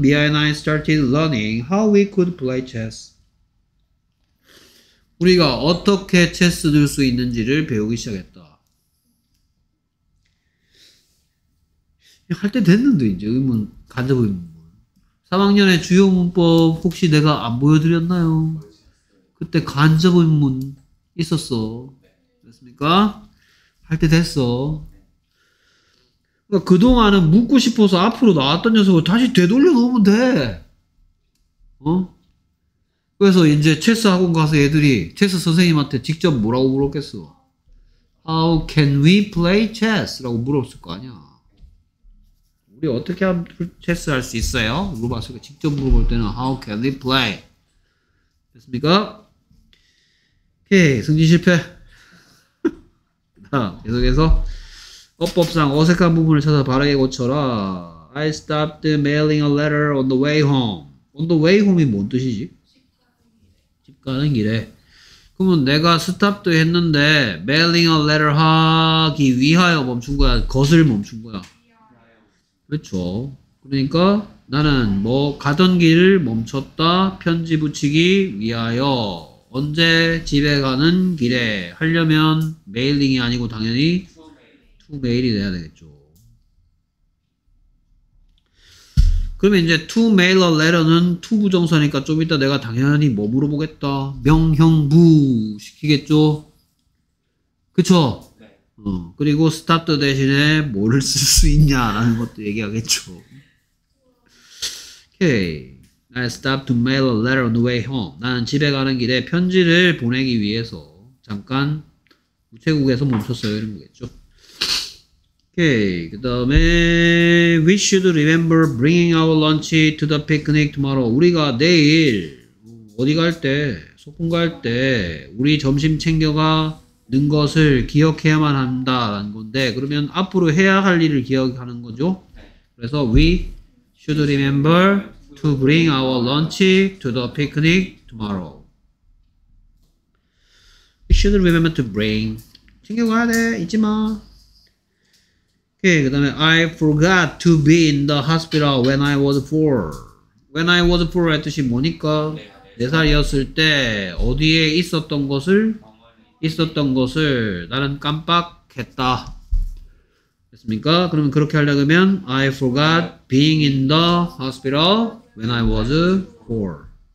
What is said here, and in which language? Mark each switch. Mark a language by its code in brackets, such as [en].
[en] Mia and I started learning how we could play chess. [ko] 우리가 어떻게 체스 둘 수 있는지를 배우기 시작했다. 할 때 됐는데 이제 의문 간접 의문. 3학년의 주요 문법 혹시 내가 안 보여드렸나요? 그때 간접 의문 있었어. 그렇습니까? 할 때 됐어. 그러니까 그동안은 묻고 싶어서 앞으로 나왔던 녀석을 다시 되돌려 놓으면 돼. 어? 그래서 이제 체스 학원 가서 애들이 체스 선생님한테 직접 뭐라고 물었겠어? [en] How can we play chess? [ko] 라고 물었을 거 아니야. 우리 어떻게 체스 할 수 있어요? 물어봤을 거. 직접 물어볼 때는 [en] How can we play? [ko] 됐습니까? 오케이, 승진 실패. 계속해서 어법상 어색한 부분을 찾아 바르게 고쳐라. [en] I stopped mailing a letter on the way home. On the way home [ko] 이 뭔 뜻이지? 집 가는 길에. 그러면 내가 스탑도 했는데 [en] mailing a letter [ko] 하기 위하여 멈춘 거야? 거슬 멈춘 거야? 그렇죠. 그러니까 나는 뭐 가던 길 멈췄다. 편지 붙이기 위하여. 언제 집에 가는 길에 하려면 메일링이 아니고 당연히 투메일이 돼야 되겠죠. 그러면 이제 투메일 a letter는 투 부정사니까 좀 이따 내가 당연히 뭐 물어보겠다. 명형부 시키겠죠. 그쵸? 그리고 stop 대신에 뭐를 쓸 수 있냐라는 것도 얘기하겠죠. [en] Okay. I stopped to mail a letter on the way home. [ko] 나는 집에 가는 길에 편지를 보내기 위해서 잠깐 우체국에서 멈췄어요. 이런 거겠죠. 오케이. 그 다음에 [en] We should remember bringing our lunch to the picnic tomorrow. [ko] 우리가 내일 어디 갈 때, 소풍 갈 때 우리 점심 챙겨가는 것을 기억해야만 한다라는 건데 그러면 앞으로 해야 할 일을 기억하는 거죠. 그래서 [en] We should remember to bring our lunch to the picnic tomorrow. We should remember to bring. [ko] 챙겨가야 돼. 잊지 마. [en] Okay, [ko] 그 다음에 [en] I forgot to be in the hospital when I was four. When I was four [ko] 의 뜻이 뭐니까? 네 살이었을 때 어디에 있었던 것을? 있었던 것을 나는 깜빡했다. 됐습니까? 그러면 그렇게 하려면 [en] I forgot being in the hospital when I was four.